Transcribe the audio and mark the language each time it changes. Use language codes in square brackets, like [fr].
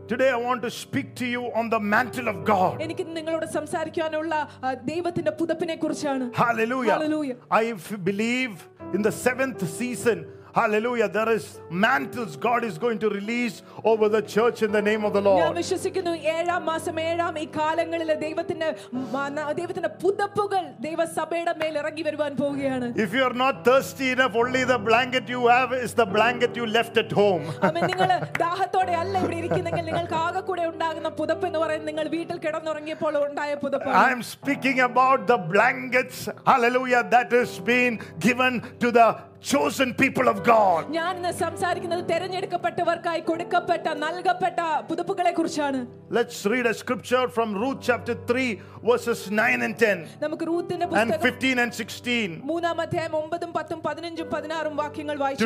[en] Today I want to speak to you on the mantle of God. [ml] എനിക്ക് നിങ്ങളോട് സംസാരിക്കാനുള്ള ദൈവത്തിന്റെ പുതപ്പിനെക്കുറിച്ചാണ്. [en] Hallelujah. Hallelujah. I believe in the seventh season, hallelujah, there is mantles God is going to release over the church in the name of the Lord. [ml] ഞാൻ വിശ്വസിക്കുന്നു 7ാം മാസം 7ാം ഈ കാലങ്ങളിൽ ദൈവത്തിന്റെ പുതപ്പുകൾ ദൈവസഭയുടെ മേൽ ഇറങ്ങി വരുവാൻ പോവുകയാണ്. [en] If you are not thirsty enough, only the blanket you have is the blanket you left at home. [ml] നിങ്ങൾ ദാഹത്തോടെ അല്ല ഇവിടെ ഇരിക്കുന്നെങ്കിൽ നിങ്ങൾക്ക് ആകെ കൂടെ ഉണ്ടാകുന്ന പുതപ്പ് എന്ന് പറയുന്നത് നിങ്ങൾ വീട്ടിൽ കിടന്നുറങ്ങിയപ്പോൾ ഉണ്ടായ പുതപ്പ്. [en] I am speaking about the blankets, hallelujah, that has been given to the chosen people of God. [ml] ഞാൻ ഇന്ന് സംസാരിക്കുന്നത് തിരഞ്ഞെടുക്കപ്പെട്ടവർക്കായി കൊടുക്കപ്പെട്ട നൽകപ്പെട്ട പുതപ്പുകളെ കുറിച്ചാണ്. [en] Let's read a scripture from Ruth chapter 3 verses 9 and 10. [ml] നമുക്ക് റൂത്തിന്റെ പുസ്തകം 15 and 16. മൂന്നാം അധ്യായം 9ഉം 10ഉം 15ഉം 16ഉം വാക്യങ്ങൾ വായിച്ചു.